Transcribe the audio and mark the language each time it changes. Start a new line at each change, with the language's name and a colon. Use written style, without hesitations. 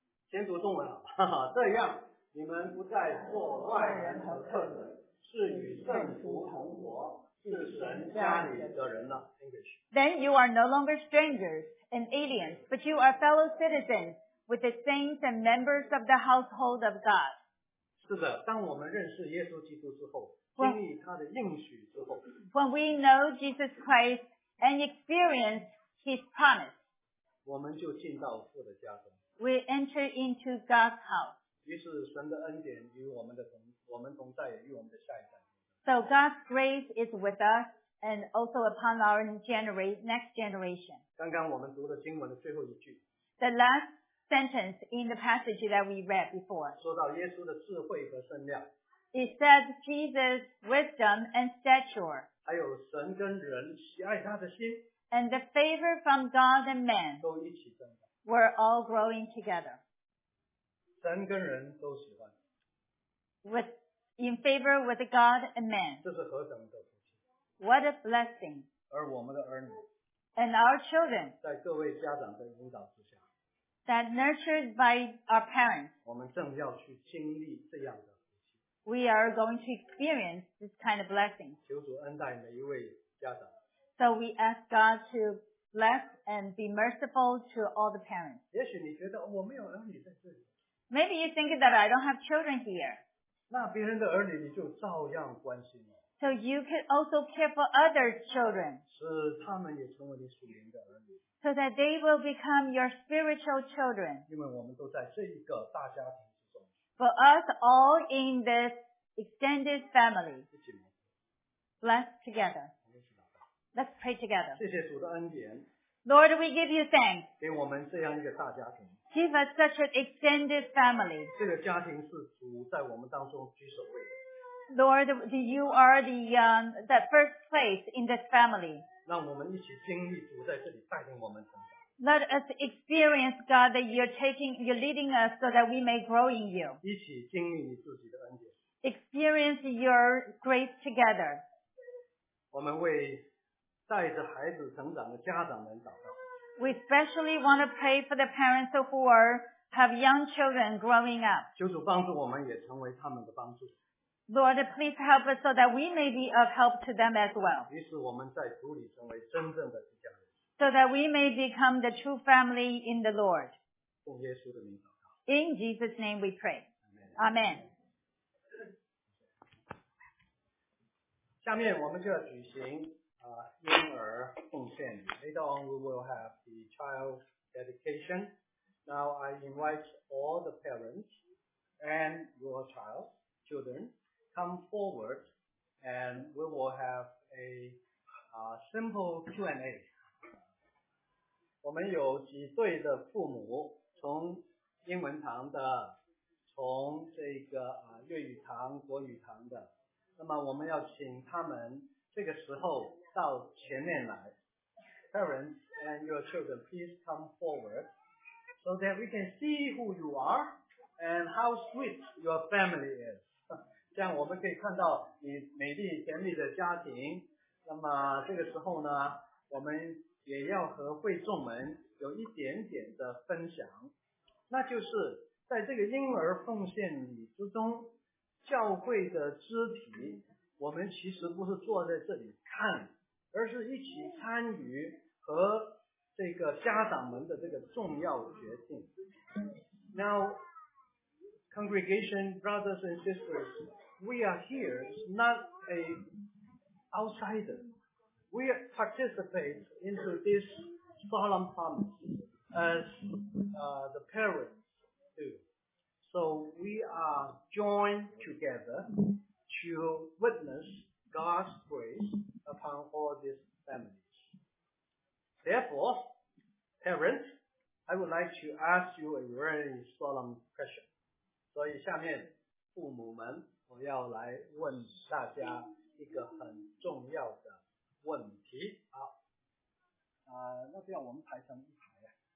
Chinese: 先读中文好吧。这样你们不再做外人和客人，是与圣徒同伙，是神家里的人了。English.
English: Then you are no longer strangers and aliens, but you are fellow citizens with the saints and members of the household of
Chinese: God.是的，当我们认识耶稣基督之后，经历他的应许之后。
English: When we know Jesus Christ and experience His promise.
Chinese: 我们就进到父的家中。
English: We enter into God's house.
Chinese: 于是神的恩典与我们的同，我们同在，与我们的下一代。
English: So God's grace is with us and also upon our next generation.
Chinese: 刚刚我们读的经文的最后一句。
English: The last sentence in the passage that we read before.
Chinese: 说到耶稣的智慧和圣量。
English: It says Jesus' wisdom and stature.
Chinese: 还有神跟人喜爱他的心。
English: And the favor from God and man were all growing together.
Chinese: 神跟人都喜欢。
English: In favor with God and man.
Chinese: 这是何等的福气。
English: What a blessing.
Chinese: 而我们的儿女。
English: And our children.
Chinese: 在各位家长的引导之下。
English: That nurtured by our parents.
Chinese: 我们正要去经历这样的福气。
English: We are going to experience this kind of blessing.
Chinese: 求主恩待每一位家长。
English: So we ask God to bless and be merciful to all the parents.
Chinese: 也许你觉得我没有儿女在这里。
English: Maybe you think that I don't have children here.
Chinese: 那别人的儿女你就照样关心了。
English: So you can also care for other children.
Chinese: 是他们也成为你属灵的儿女。
English: So that they will become your spiritual children.
Chinese: 因为我们都在这一个大家庭之中。
English: For us all in this extended family. Bless together. Let's pray together.
Chinese: 谢谢主的恩典。
English: Lord, we give you thanks.
Chinese: 给我们这样一个大家庭。
English: Give us such an extended family.
Chinese: 这个家庭是主在我们当中居首位的。
English: Lord, you are the first place in this family.
Chinese: 让我们一起经历主在这里带领我们成长。
English: Let us experience God that you're leading us so that we may grow in you.
Chinese: 一起经历你自己的恩典。
English: Experience your grace together.
Chinese: 我们为带着孩子成长的家长们祷告。
English: We especially want to pray for the parents who have young children growing up.
Chinese: 求主帮助我们也成为他们的帮助。
English: Lord, please help us so that we may be of help to them as well.
Chinese: 于是我们在主里成为真正的家人。
English: So that we may become the true family in the Lord.
Chinese: 奉耶稣的名祷告。
English: In Jesus' name we pray. Amen.
Chinese: 下面我们就要举行婴儿奉献。
English: Later on, we will have the child dedication. Now, I invite all the parents and your children, come forward, and we will have a simple Q&A.
Chinese: 我们有几对的父母，从英文堂的，从这个粤语堂、国语堂的。那么，我们要请他们这个时候。到前面来。
English: Parents and your children, please come forward so that we can see who you are and how sweet your family is.
Chinese: 这样我们可以看到你美丽甜蜜的家庭。那么这个时候呢，我们也要和会众们有一点点的分享。那就是在这个婴儿奉献礼之中，教会的肢体，我们其实不是坐在这里看，而是一起参与和这个家长们的这个重要决定。
English: Now, congregation, brothers and sisters, we are here not an outsider. We participate into this solemn promise as the parents do. So we are joined together to witness God's grace upon all these families. Therefore, parents, I would like to ask you a very solemn question.
Chinese: 所以下面父母们，我要来问大家一个很重要的问题。好，那这样我们排成一排呀。